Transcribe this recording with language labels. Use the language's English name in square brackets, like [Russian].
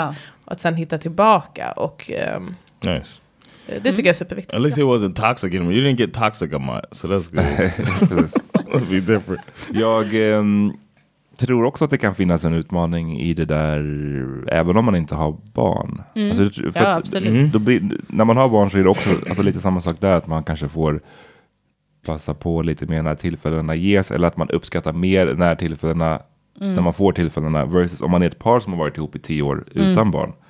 [Swedish] Och att sen hitta tillbaka och [English] nice. [Swedish] Det tycker jag är superviktigt. [English] At least he wasn't toxic anymore. You didn't get toxic on my, so that's good. That'd be different. [Swedish] Jag tror också att det kan finnas en utmaning i det där, även om man inte har barn. Alltså, för ja, absolut. Då blir, när man har barn så är det också alltså, lite samma sak där, att man kanske får passa på lite mer när tillfällena ges, eller att man uppskattar mer när tillfällena, när man får tillfällena, versus om man är ett par som har varit ihop i 10 år utan barn.